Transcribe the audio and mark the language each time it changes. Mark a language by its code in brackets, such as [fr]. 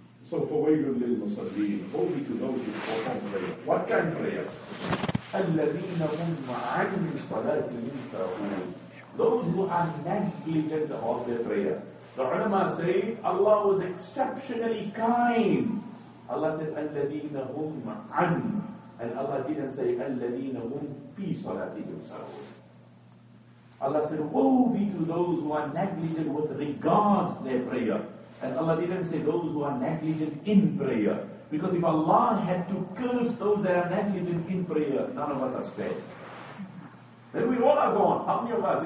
[en] So, for wayrul lil musalleen, holy to those who perform prayer. What kind of prayer? [ar] الَّذِينَ هُمْ عَنْ صَلَاتِهِمْ سَاهُونَ. [en] Those who are negligent of their prayer. The ulama say, Allah was exceptionally kind. Allah said, [ar] أَلَّذِينَ هُمْ عَنْ. [en] And Allah didn't say, [ar] أَلَّذِينَ هُمْ فِي صَلَاتِهِمْ سَاهُونَ. [en] Allah said, woe be to those who are negligent with regards their prayer. And Allah didn't say those who are negligent in prayer. Because if Allah had to curse those that are negligent in prayer, none of us are spared. Then we all are gone. How many of us?